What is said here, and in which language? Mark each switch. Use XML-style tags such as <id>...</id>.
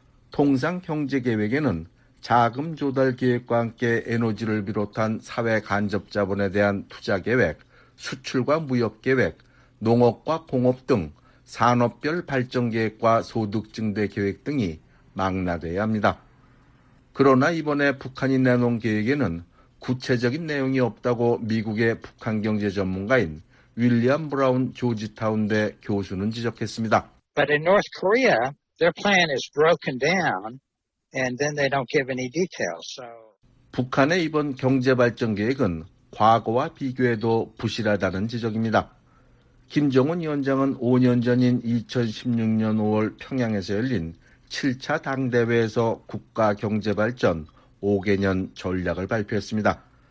<ko>통상 경제계획에는 자금 조달 계획과 함께 에너지를 비롯한 사회 간접 자본에 대한 투자 계획, 수출과 무역 계획, 농업과 공업 등 산업별 발전 계획과 소득 증대 계획 등이 망라돼야 합니다. 그러나 이번에 북한이 내놓은 계획에는 구체적인 내용이 없다고 미국의 북한 경제 전문가인 윌리엄 브라운 조지타운대 교수는 지적했습니다.</ko> <en>But in North Korea, their plan is broken down and then they don't give any details. So</en> <ko>북한의 이번 경제 발전 계획은 과거와 비교해도 부실하다는 지적입니다. 김정은 위원장은 5년 전인 2016년 5월 평양에서 열린 7차 당대회에서 국가 경제 발전 5개년 전략을 발표했습니다.</ko>